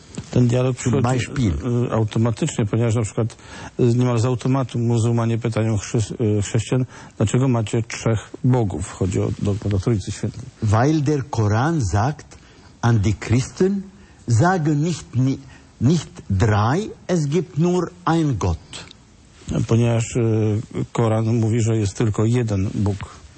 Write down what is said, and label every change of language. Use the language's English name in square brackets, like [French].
[Polish] Ten dialog przychodzi automatycznie, ponieważ na przykład niemal z automatu muzułmanie pytają chrześcijan, dlaczego macie trzech bogów, chodzi o Trójcy Świętej. [German] Weil der Koran sagt an die Christen, sagen nicht drei, es gibt nur ein Gott. [Polish] Ponieważ Koran mówi, że jest tylko jeden Bóg.